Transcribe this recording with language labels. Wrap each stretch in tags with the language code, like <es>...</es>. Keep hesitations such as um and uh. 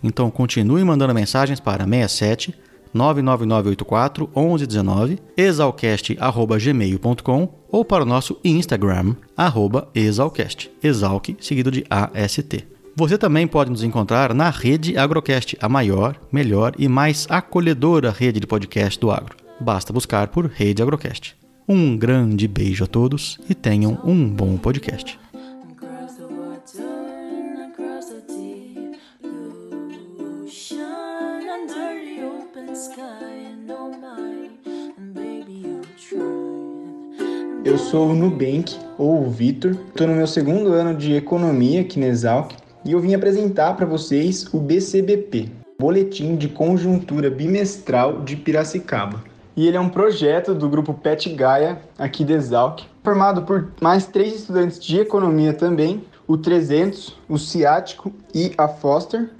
<pt>Então continue mandando mensagens para 67 99984 1119 exalcast@gmail.com ou para o nosso Instagram arroba @exalcast. Exalc seguido de AST. Você também pode nos encontrar na rede Agrocast, a maior, melhor e mais acolhedora rede de podcast do agro. Basta buscar por Rede Agrocast. Um grande beijo a todos e tenham um bom podcast.</pt> <en>Across the water and across the deep blue ocean, under the open sky, and oh my, and baby, you try.</en> <pt>Eu sou o Nubank, ou o Vitor, estou no meu segundo ano de economia aqui na Exalc e eu vim apresentar para vocês o BCBP, Boletim de Conjuntura Bimestral de Piracicaba. E ele é um projeto do grupo Pet Gaia, aqui da Exalc, formado por mais três estudantes de economia também, o 300, o Ciático e a Foster.</pt>